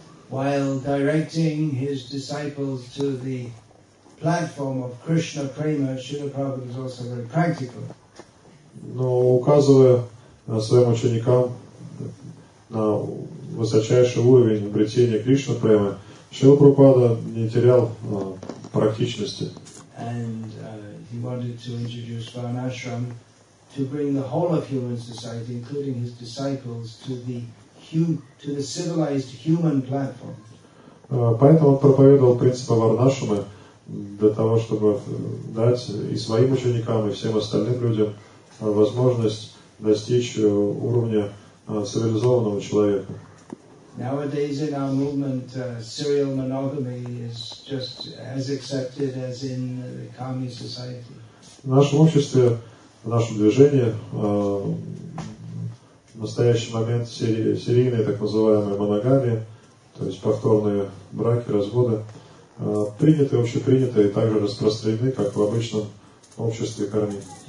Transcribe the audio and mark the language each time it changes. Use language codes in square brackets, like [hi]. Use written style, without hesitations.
[en] While directing his disciples to the platform of Krishna Prema, Srila Prabhupada was also very practical. [ru] Но указывая своим ученикам на высочайший уровень обретения Кришна Премы, Шрила Прабхупада не терял практичности. [en] And he wanted to introduce Varnashram to bring the whole of human society, including his disciples, to the to the civilized human platform. [ru] Поэтому он проповедовал принципы Варнашрамы для того, чтобы дать и своим ученикам, и всем остальным людям возможность достичь уровня цивилизованного человека. [en] Nowadays in our movement, serial monogamy is just as accepted as in the Kami society. [ru] В нашем обществе, в нашем движении, в настоящий момент серийная так называемая моногамия, то есть повторные браки, разводы, приняты, общеприняты и также распространены, как в обычном обществе карми.